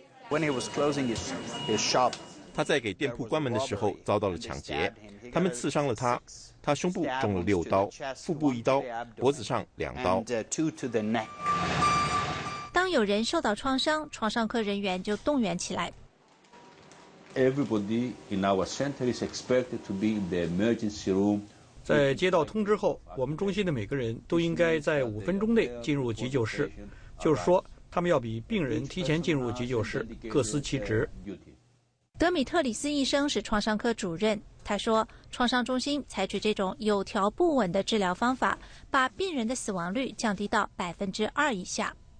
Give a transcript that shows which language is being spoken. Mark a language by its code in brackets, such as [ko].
[en] When he was closing his shop, [zh] 他在给店铺关门的时候遭到了抢劫，他们刺伤了他，他胸部中了六刀，腹部一刀，脖子上两刀。当有人受到创伤，创伤科人员就动员起来。 [en] Everybody in our center is expected to be in the emergency room. [zh] 在接到通知后，我们中心的每个人都应该在5分钟内进入急救室，就是说，他们要比病人提前进入急救室，各司其职。德米特里斯医生是创伤科主任，他说，创伤中心采取这种有条不紊的治疗方法，把病人的死亡率降低到2%以下。